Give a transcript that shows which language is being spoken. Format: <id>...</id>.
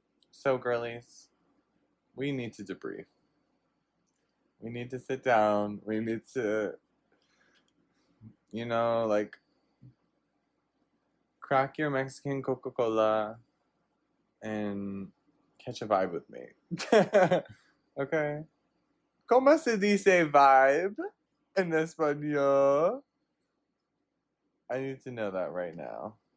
<en>So, girlies, we need to debrief. We need to sit down. We need to, you know, like, crack your Mexican Coca-Cola and catch a vibe with me. Okay?</en> <es>¿Cómo se dice vibe en español?</es> <en>I need to know that right now.</en>